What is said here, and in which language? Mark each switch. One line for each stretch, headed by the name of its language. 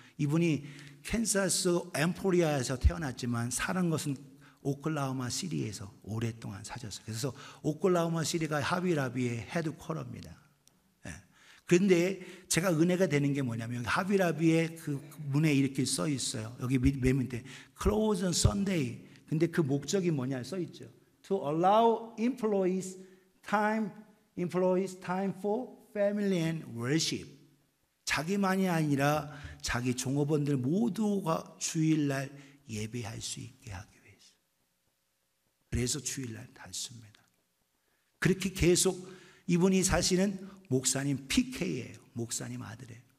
Korean: 이분이 캔사스 엠포리아에서 태어났지만 사는 것은 오클라호마 시리에서 오랫동안 사셨어요. 그래서 오클라호마 시리가 하비라비의 헤드쿼터입니다. 예. 그런데 제가 은혜가 되는 게 뭐냐면 하비라비의 그 문에 이렇게 써 있어요. 여기 맨 밑에
English: Close on Sunday.
Korean: 근데 그 목적이 뭐냐 써 있죠.
English: To allow employees time for family and worship.
Korean: 자기만이 아니라 자기 종업원들 모두가 주일날 예배할 수 있게 하기 위해서. 그래서 주일날 닫습니다. 그렇게 계속 이분이 사실은 목사님 PK예요. 목사님 아들이에요.